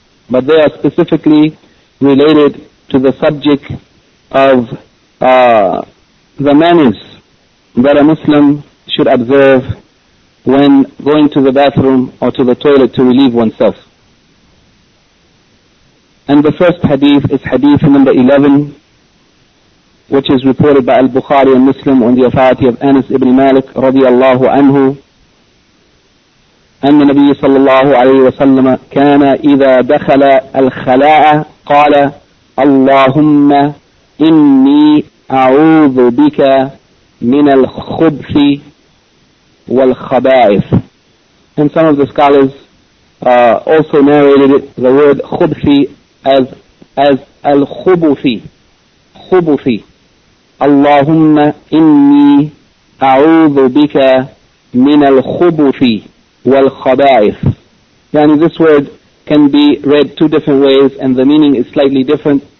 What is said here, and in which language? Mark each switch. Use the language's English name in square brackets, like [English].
[English] But they are specifically related to the subject of the manners that a Muslim should observe when going to the bathroom or to the toilet to relieve oneself. And the first hadith is hadith number 11, which is reported by Al-Bukhari and Muslim on the authority of Anas ibn Malik radiallahu anhu. [Arabic] أن النبي صلى الله عليه وسلم كان إذا دخل الخلاء قال اللهم إني أعوذ بك من الخبث والخبائث. [English] And some of the scholars also narrated the word خبث as الخبث. [Arabic] خبث. اللهم إني أعوذ بك من الخبث. والخبائث. [English] يعني this word can be read two different ways and the meaning is slightly different.